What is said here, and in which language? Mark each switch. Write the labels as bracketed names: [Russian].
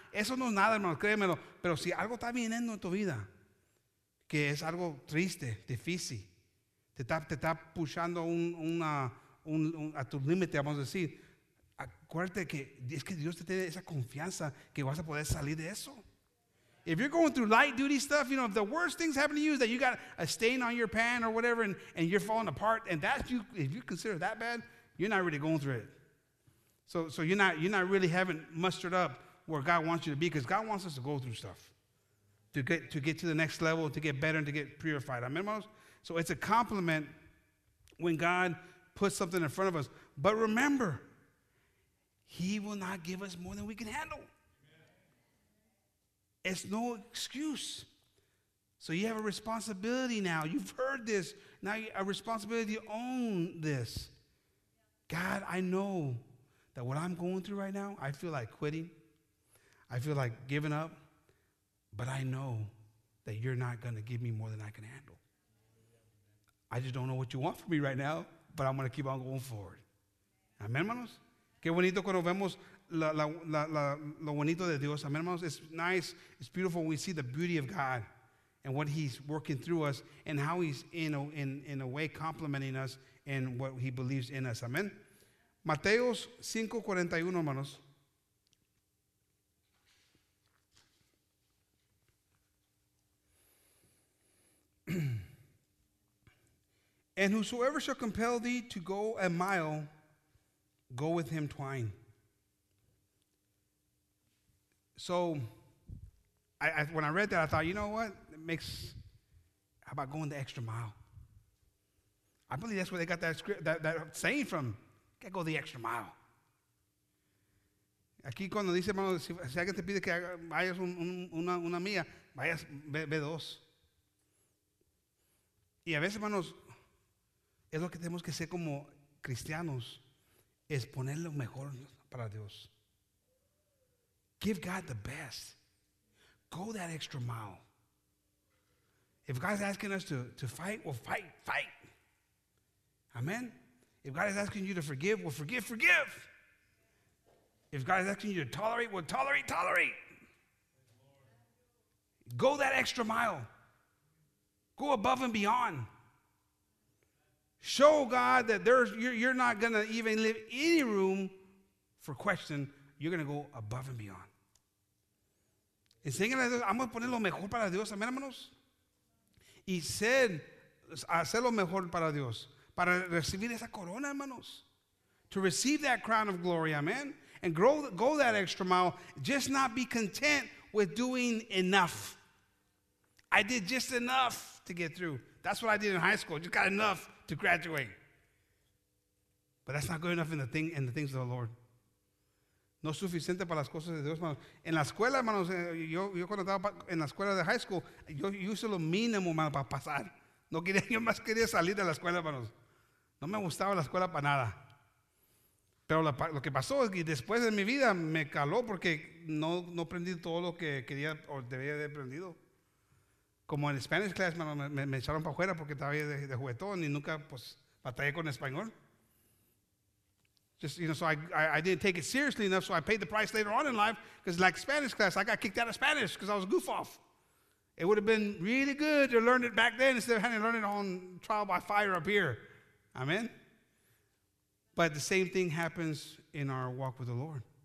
[Spanish] Eso no es nada, hermano, créemelo. Pero si algo está viniendo en tu vida, que es algo triste, difícil, te está pushando a tu límite, vamos a decir, acuérdate que es que Dios te tiene esa confianza que vas a poder salir de eso. [English] If you're going through light duty stuff, you know, if the worst things happen to you is that you got a stain on your pan or whatever and you're falling apart, and that's you, if you consider that bad, you're not really going through it. So you're not really having mustered up where God wants you to be, because God wants us to go through stuff to get to the next level, to get better, and to get purified. Amen, hermanos? So it's a compliment when God put something in front of us. But remember, he will not give us more than we can handle. Amen. It's no excuse. So you have a responsibility now. You've heard this. Now you have a responsibility to own this. God, I know that what I'm going through right now, I feel like quitting. I feel like giving up. But I know that you're not going to give me more than I can handle. I just don't know what you want from me right now, but I'm going to keep on going forward. [Spanish] Amen, hermanos? Qué bonito cuando vemos lo bonito de Dios. [English] Amen, hermanos? It's nice. It's beautiful when we see the beauty of God and what he's working through us and how he's, in a way, complimenting us and what he believes in us. Amen? [Spanish] Mateos 5:41, hermanos. [English] And whosoever shall compel thee to go a mile, go with him twain. So, I when I read that, I thought, you know what? How about going the extra mile? I believe that's where they got that saying from. Que go the extra mile. [Spanish] Aquí cuando dice, hermano, si alguien te pide que vayas una milla, vayas, ve dos. Y a veces, hermanos, es lo que tenemos que hacer como cristianos, es poner lo mejor para Dios. [English] Give God the best. Go that extra mile. If God is asking us to fight, well, fight. Amen? If God is asking you to forgive, well, forgive. If God is asking you to tolerate, well, tolerate. Go that extra mile. Go above and beyond. Show God that you're not going to even leave any room for question. You're going to go above and beyond. [Spanish] Enseñale a Dios, vamos a poner lo mejor para Dios, amén, hermanos. Y hacer lo mejor para Dios, para recibir esa corona, hermanos. [English] To receive that crown of glory, amen. And go that extra mile, just not be content with doing enough. I did just enough to get through. That's what I did in high school, just got enough to graduate. But that's not good enough in the things of the Lord. [Spanish] No es suficiente para las cosas de Dios, hermanos. En la escuela, hermanos, yo cuando estaba en la escuela de high school, yo hice lo mínimo, hermano, para pasar. No quería, yo más quería salir de la escuela, hermanos. No me gustaba la escuela para nada. Pero lo que pasó es que después de mi vida me caló porque no aprendí todo lo que quería o debería haber aprendido. Como en Spanish class, hermano, me echaron para afuera porque estaba de juguetón y nunca, pues, batallé con español. [English] Just, you know, so I didn't take it seriously enough, so I paid the price later on in life because, like Spanish class, I got kicked out of Spanish because I was a goof off. It would have been really good to learn it back then instead of having to learn it on trial by fire up here. Amen? But the same thing happens in our walk with the Lord.